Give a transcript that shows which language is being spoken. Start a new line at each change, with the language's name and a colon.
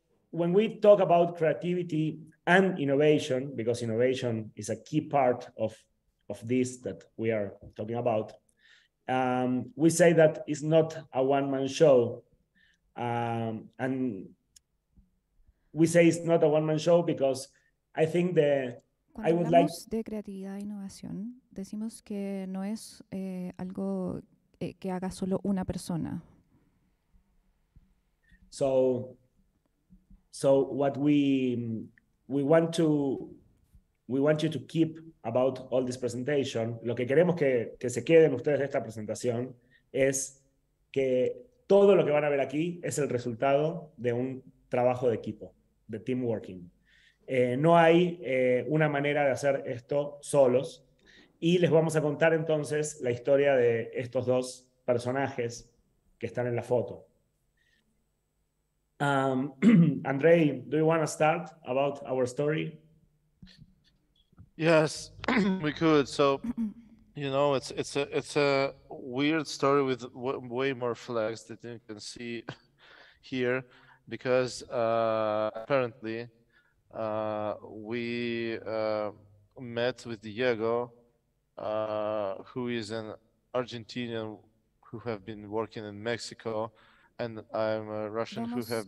English: When we talk about creativity and innovation, because innovation is a key part of this that we are talking about, we say that it's not a one-man show. And we say it's not a one-man show because I think the I
Spanish: Cuando
English: would like.
Spanish: hablamos de creatividad e innovación, decimos que no es algo que haga solo una persona.
English: So what we want you to keep about all this presentation,
Spanish: lo que queremos que se queden ustedes de esta presentación es que todo lo que van a ver aquí es el resultado de un trabajo de equipo, de team working. No hay una manera de hacer esto solos. Y les vamos a contar entonces la historia de estos dos personajes que están en la foto.
English: Andrei, do you want to start about our story? Yes, we could. So, it's a weird story with way more flags than you can see here, because apparently we met with Diego, who is an Argentinian who have been working in Mexico, and I'm a Russian who have